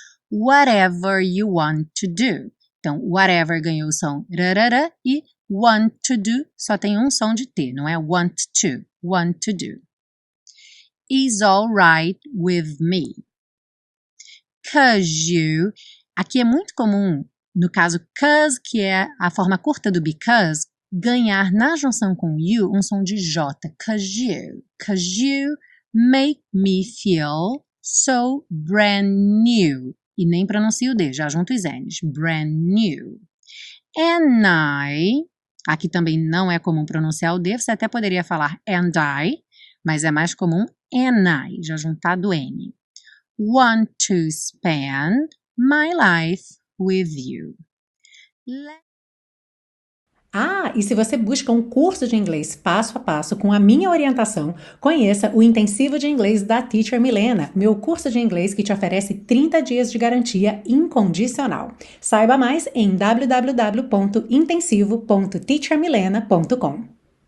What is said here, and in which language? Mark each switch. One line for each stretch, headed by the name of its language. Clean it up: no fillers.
English: Whatever you want to do.
Portuguese: Então, whatever ganhou o som rarara e want to do só tem um som de T, não é want to. Want to do.
English: Is all right with me. Cause you.
Portuguese: Aqui é muito comum, no caso cause, que é a forma curta do because, ganhar na junção com you um som de J.
English: Cause you. Cause you make me feel so brand new.
Portuguese: E nem pronuncio o D, já junto os N's.
English: Brand new.
Portuguese: And I, aqui também não é comum pronunciar o D, você até poderia falar and I, mas é mais comum and I, já juntado N.
English: Want to spend my life with you.
Portuguese: Ah, e se você busca um curso de inglês passo a passo com a minha orientação, conheça o Intensivo de Inglês da Teacher Milena, meu curso de inglês que te oferece 30 dias de garantia incondicional. Saiba mais em www.intensivo.teachermilena.com.